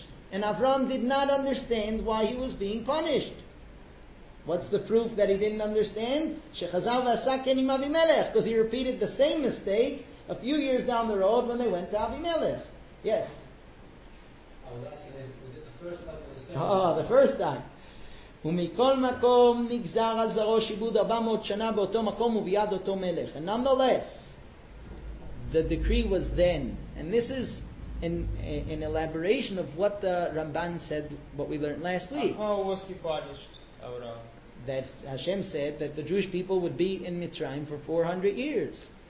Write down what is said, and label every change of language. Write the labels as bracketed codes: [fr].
[en] And Avram did not understand why he was being punished. What's the proof that he didn't understand? Because he repeated the same mistake a few years down the road when they went to Avimelech. Yes? I was asking, is it the first time or the second time? Oh, the first time. [he] ומכל מקום נגזר על זרו שיבוד 400 שנה באותו מקום וביד אותו מלך. [en] And nonetheless, the decree was then. And this is an elaboration of what the Ramban said, what we learned last week. How was he punished, Avraham? That Hashem said that the Jewish people would be in Mitzrayim for 400 years.